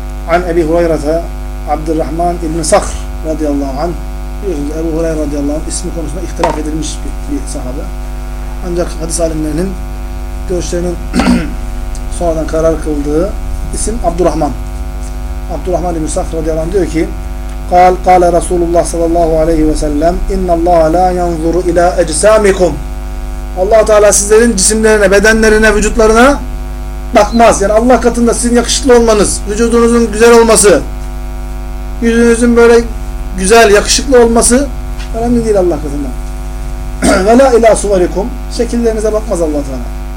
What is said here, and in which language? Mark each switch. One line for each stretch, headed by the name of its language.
Turkish: an Ebi Hureyre'te Abdurrahman İbni Sakr radıyallahu anh, biliyorsunuz Ebu Hureyre radıyallahu anh ismi konusunda ihtilaf edilmiş bir sahabe. Ancak hadis alimlerinin görüşlerinin sonradan karar kıldığı isim Abdurrahman. Abdurrahman İbni Sakr radıyallahu anh diyor ki
Arabic: قال رسول الله صلى الله عليه وسلم إن الله لا ينظر إلى أجسامكم.
Turkish: Allah Teala sizlerin cisimlerine, bedenlerine, vücutlarına bakmaz. Yani Allah katında sizin yakışıklı olmanız, vücudunuzun güzel olması, yüzünüzün böyle güzel, yakışıklı olması önemli değil Allah katında.
Arabic: Ve la ila suvarikum.
Turkish: Şekillerinize bakmaz Allah Teala.